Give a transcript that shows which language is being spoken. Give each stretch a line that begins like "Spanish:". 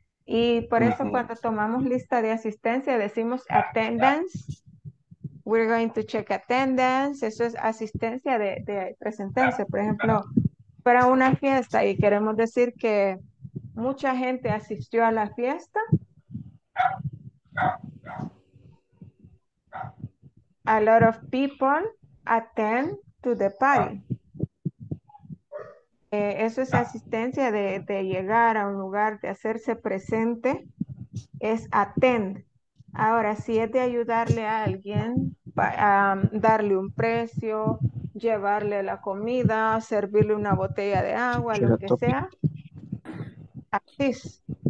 Spanish: Y por eso cuando tomamos lista de asistencia decimos attendance.
English: We're going to check attendance.
Spanish: Eso es asistencia de presentencia. Por ejemplo, para una fiesta y queremos decir que mucha gente asistió a la fiesta.
English: A lot of people attend to the party.
Spanish: Eso es asistencia de llegar a un lugar, de hacerse presente, es attend. Ahora, si es de ayudarle a alguien, darle un precio, llevarle la comida, servirle una botella de agua, lo que sea, assist.